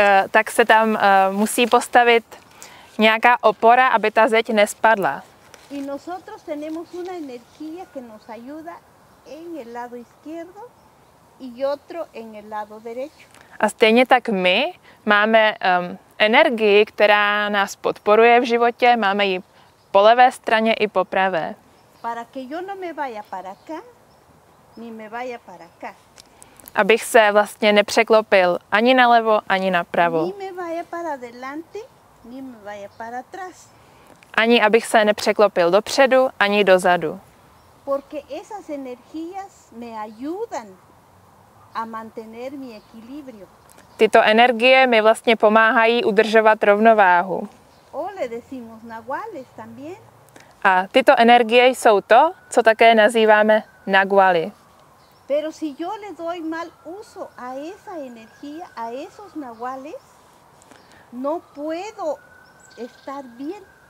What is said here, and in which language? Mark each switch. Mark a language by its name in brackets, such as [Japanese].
[Czech] Tak se tam musí postavit nějaká opora, aby ta zeď nespadla. [Spanish] Y nosotros tenemos una energía que nos ayuda en el lado izquierdo y otro en el lado derecho. [Czech] A stejně tak my máme energii, která nás podporuje v životě, máme ji po levé straně i po pravé. [Spanish] Para que yo no me vaya para acá. Ni me vaya para acá. [Czech] Abych se vlastně nepřeklopil ani na levo, ani na pravo. [Spanish] Ni me vaya para adelante, ni me vaya para atrás. [Czech] Ani abych se nepřeklopil dopředu, ani dozadu. [Spanish] Porque esas energías me ayudan a mantener mi equilibrio. [Czech] Tyto energie mi vlastně pomáhají udržovat rovnováhu. [Spanish] O le decimos nahuales también. [Czech] A tyto energie jsou to, co také nazýváme naguali. [Spanish] Pero si yo le doy mal uso a esa energía, a esos nahuales, no puedo estar bien.